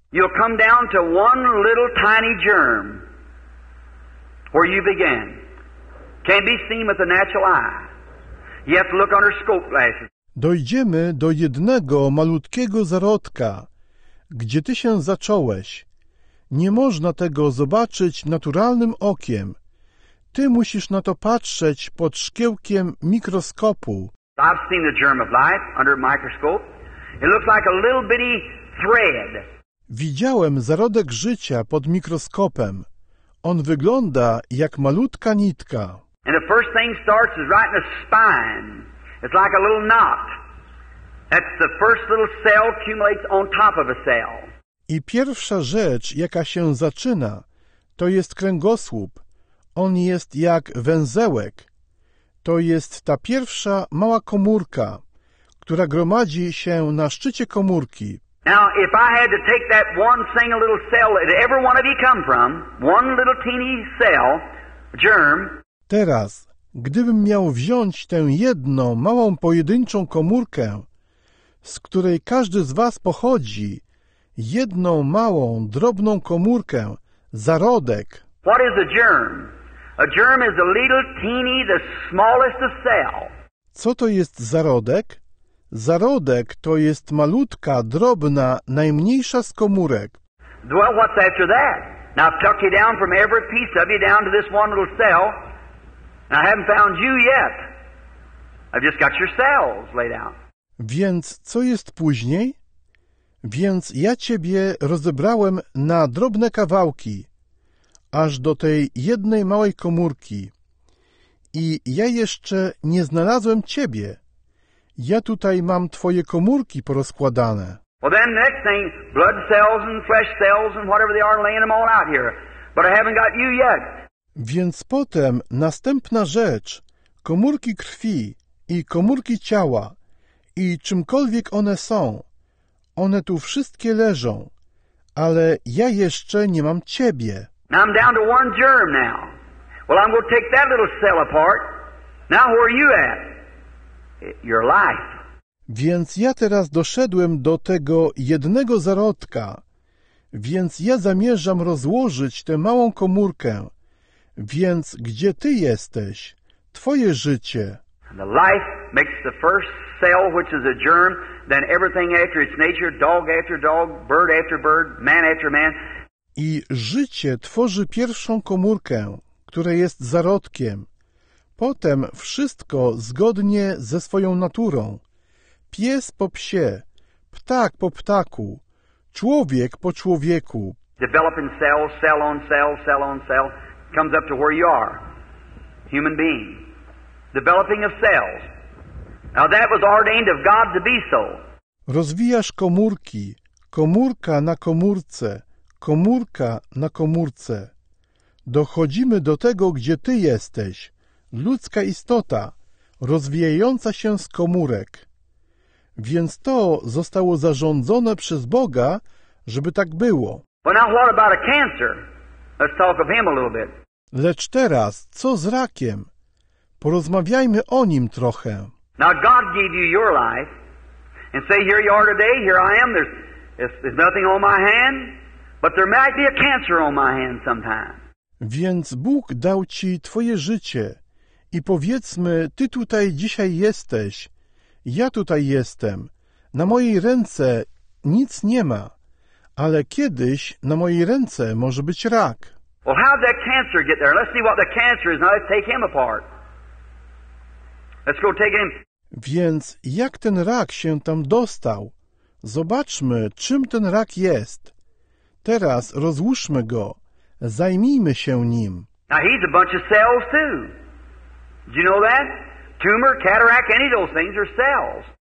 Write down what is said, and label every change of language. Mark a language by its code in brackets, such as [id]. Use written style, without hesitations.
[en] You'll come down to one little tiny germ where you began. Can't be seen with the natural eye. You have to look under scope glasses. [pl] Dojdziemy do jednego malutkiego zarodka, gdzie ty się zacząłeś. Nie można tego zobaczyć naturalnym okiem. Ty musisz na to patrzeć pod szkiełkiem mikroskopu. [en] I've seen the germ of life under a microscope. It looks like a little bitty thread. [pl] Widziałem zarodek życia pod mikroskopem. On wygląda jak malutka nitka. [en] And the first thing starts is right in the spine. It's like a little knot. That's the first little cell accumulates on top of a cell. [pl] I pierwsza rzecz, jaka się zaczyna, to jest kręgosłup, on jest jak węzełek. To jest ta pierwsza mała komórka, która gromadzi się na szczycie komórki. [en] Now, if I had to take that one single little cell that every one of you come from, one little teeny cell, germ. [pl] Teraz, gdybym miał wziąć tę jedną małą pojedynczą komórkę, z której każdy z was pochodzi, jedną małą drobną komórkę, zarodek. [en] What is a germ? A germ is a little teeny, the smallest of cell. [pl] Co to jest zarodek? Zarodek to jest malutka, drobna, najmniejsza z komórek. [en] Well, what's after that? Now I've tucked you down from every piece of you down to this one little cell. And I haven't found you yet. I've just got your cells laid out. [pl] Więc co jest później? Więc ja ciebie rozebrałem na drobne kawałki, aż do tej jednej małej komórki. I ja jeszcze nie znalazłem ciebie. Ja tutaj mam twoje komórki porozkładane. [en] Well, then next thing, blood cells and flesh cells and whatever they are, laying them all out here. But I haven't got you yet. [pl] Więc potem następna rzecz, komórki krwi i komórki ciała i czymkolwiek one są, one tu wszystkie leżą, ale ja jeszcze nie mam ciebie. [en] Now I'm down to one germ now. Well, I'm going to take that little cell apart. Now where are you at? Your life. [pl] Więc ja teraz doszedłem do tego jednego zarodka. Więc ja zamierzam rozłożyć tę małą komórkę. Więc gdzie ty jesteś? Twoje życie. [en] And the life makes the first cell, which is a germ, then everything after its nature, dog after dog, bird after bird, man after man. [pl] I życie tworzy pierwszą komórkę, która jest zarodkiem. Potem wszystko zgodnie ze swoją naturą. Pies po psie, ptak po ptaku, człowiek po człowieku. [en] Developing cell, cell on cell, cell on cell, comes up to where you are. Human being. Developing of cells. Now that was ordained of God to be so. [pl] Rozwijasz komórki, komórka na komórce, komórka na komórce. Dochodzimy do tego, gdzie ty jesteś. Ludzka istota, rozwijająca się z komórek. Więc to zostało zarządzone przez Boga, żeby tak było. [en] Well, now what about a cancer? Let's talk of him a little bit. [pl] Lecz teraz, co z rakiem? Porozmawiajmy o nim trochę. [en] Now God gave you your life. And say, here you are today, here I am. There's nothing on my hand. But there might be a cancer on my hand sometime. [pl] Więc Bóg dał ci twoje życie. I powiedzmy, ty tutaj dzisiaj jesteś, ja tutaj jestem, na mojej ręce nic nie ma, ale kiedyś na mojej ręce może być rak. [en] Well, how did that cancer get there? Let's see what the cancer is. Now let's take him apart. Let's go take him. [pl] Więc jak ten rak się tam dostał? Zobaczmy, czym ten rak jest. Teraz rozłóżmy go, zajmijmy się nim. [en] Now he's a bunch of cells too. Do you know that? Tumor, cataract, any of those things are cells.